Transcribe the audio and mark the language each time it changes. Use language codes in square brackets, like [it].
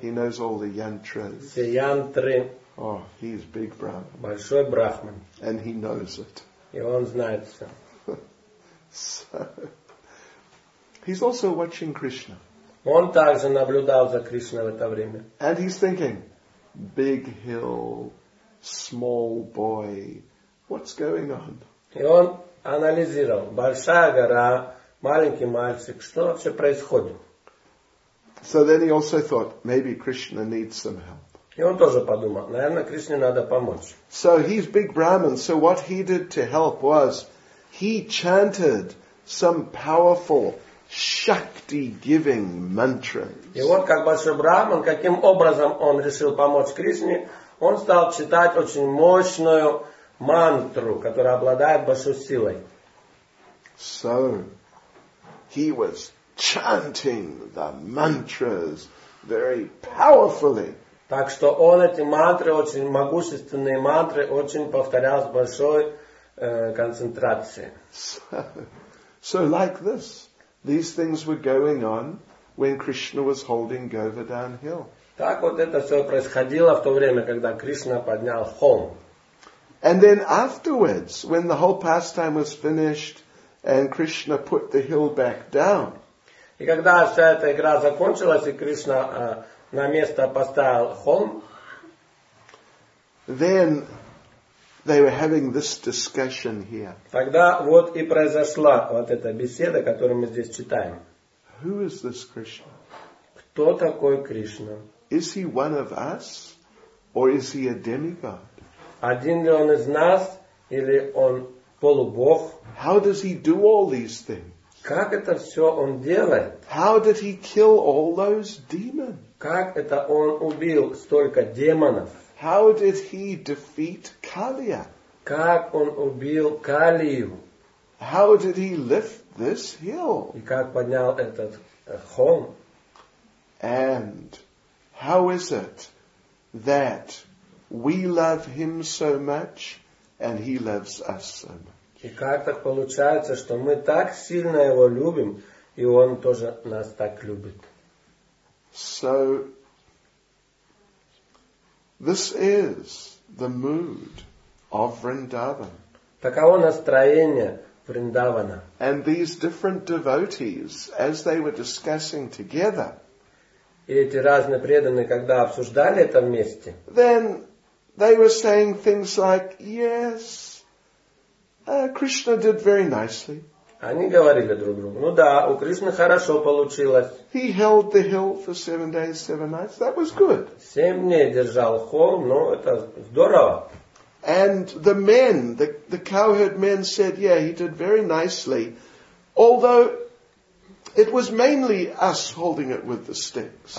[en] He knows all the yantras. [ru] Все янтры. [en] Oh, he's big Brahman. [ru] Большой брахман. [en] And he knows it. [ru] И он знает все. [en] So, he's also watching Krishna. [ru] Он также наблюдал за Кришной в это время. [en] And he's thinking, big hill, small boy, what's going on? [ru] И он анализировал, большая гора, маленький мальчик, что вообще происходит? [en] So then he also thought, maybe Krishna needs some help. [ru] И он тоже подумал, наверное, Кришне надо помочь. [en] So he's big Brahman, so what he did to help was, he chanted some powerful Shakti-giving mantras. [ru] И вот как большой брахман, каким образом он решил помочь Кришне, он стал читать очень мощную мантру, которая обладает большой силой. [en] So, he was chanting the mantras very powerfully. [ru] Так что он эти мантры, очень могущественные мантры, очень повторял с большой концентрацией. [en] So, like this. These things were going on when Krishna was holding Govardhan Hill. [ru] Так вот это все происходило в то время, когда Кришна поднял холм. [en] And then afterwards, when the whole pastime was finished and Krishna put the hill back down. [ru] И когда вся эта игра закончилась и Кришна на место поставил холм, [en] then they were having this discussion here. [ru] Тогда вот и произошла вот эта беседа, которую мы здесь читаем. [en] Who is this Krishna? [ru] Кто такой Кришна? [en] Is he one of us or is he a demigod? [ru] Один ли он из нас или он полубог? [en] How does he do all these things? [ru] Как это все он делает? [en] How did he kill all those demons? [ru] Как это он убил столько демонов? [en] How did he defeat Kaliya? [ru] Как он убил Калию? [en] How did he lift this hill? [ru] И как поднял этот холм? [en] And how is it that we love him so much and he loves us so much? [ru] И как так получается, что мы так сильно его любим, и он тоже нас так любит? [en] So this is the mood of Vrindavan. [ru] Таково настроение Вриндавана. [en] And these different devotees, as they were discussing together, [ru] и эти разные преданные, когда обсуждали это вместе, [en] then they were saying things like, yes, Krishna did very nicely. [ru] Они говорили друг другу, ну да, у Кришны хорошо получилось. [en] He held the hill for 7 days, 7 nights. That was good. [ru] 7 дней держал холм, ну это здорово. [en] And the men, the cowherd men said, yeah, he did very nicely. Although It was mainly us holding it with the sticks.